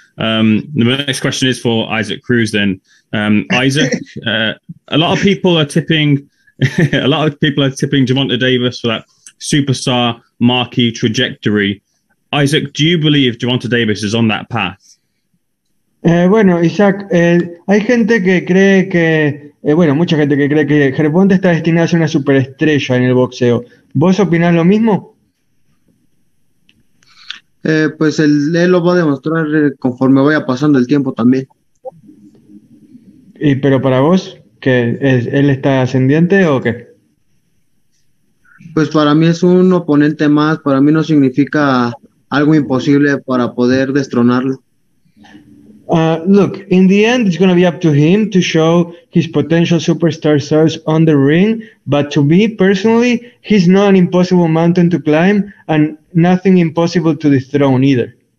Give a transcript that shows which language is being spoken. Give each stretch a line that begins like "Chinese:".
English: The next question is for Isaac Cruz then. Isaac, a lot of people are tipping Gervonta Davis for that superstar marquee trajectory. Isaac, do you believe Gervonta Davis is on that path?
Spanish: Bueno, Isaac, hay gente que cree que, mucha gente que cree que Gervonta está destinado a ser una superestrella en el boxeo. ¿Vos opinás lo mismo? Pues él lo va a demostrar conforme vaya pasando el tiempo también. ¿Y pero para vos, que él está ascendiente o qué? Pues para mí es un oponente más, para mí no significa algo imposible para poder destronarlo.
English: Look, in the end, it's going to be up to him to show his potential superstar stars on the ring. But to me personally, he's not an impossible mountain to climb and nothing impossible to dethrone either.